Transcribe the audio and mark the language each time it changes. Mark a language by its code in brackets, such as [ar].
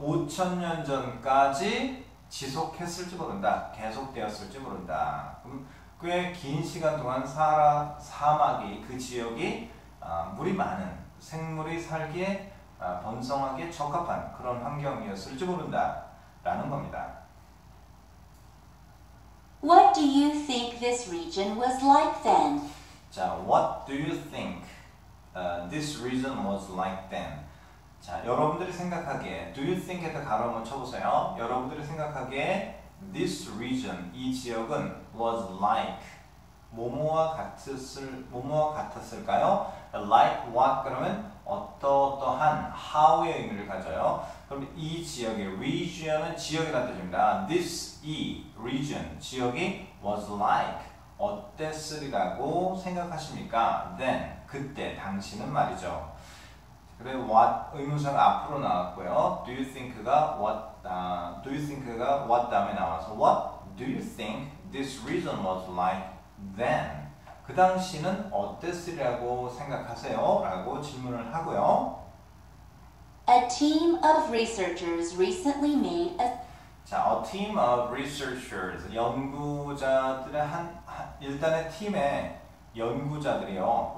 [ko] 5,000년 전까지 지속했을지 모른다. 계속되었을지 모른다. 그럼 꽤 긴 시간 동안 사하라 사막이 그 지역이 물이 많은 생물이 살기에 번성하기에 적합한 그런 환경이었을지 모른다 라는 겁니다. [en] What do you think this region was like then? 자, what do you think this region was like then? [ko] 자, 여러분들이 생각하기에 [en] do you think [ko] 에다 가로 한번 쳐보세요. 여러분들이 생각하기에 [en] this region, [ko] 이 지역은 [en] was like [ko] 뭐뭐와 같았을까요? [en] Like what? [ko] 그러면 어떠어떠한 how의 의미를 가져요. 그럼 이 지역의 region은 지역이라는 뜻입니다. [en] This e region [ko] 지역이 [en] was like [ko] 어땠으리라고 생각하십니까? [en] Then [ko] 그때 당신은 말이죠. 그래 what 의문사가 앞으로 나왔고요. [en] Do you think가 what do you think가 what [ko] 다음에 나와서 [en] what do you think this region was like then? [ko] 그 당시는 어땠으리라고 생각하세요? 라고 질문을 하고요. [en] A team of researchers recently made a... 자, a team of researchers. [ko] 연구자들의 일단의 팀의 연구자들이요.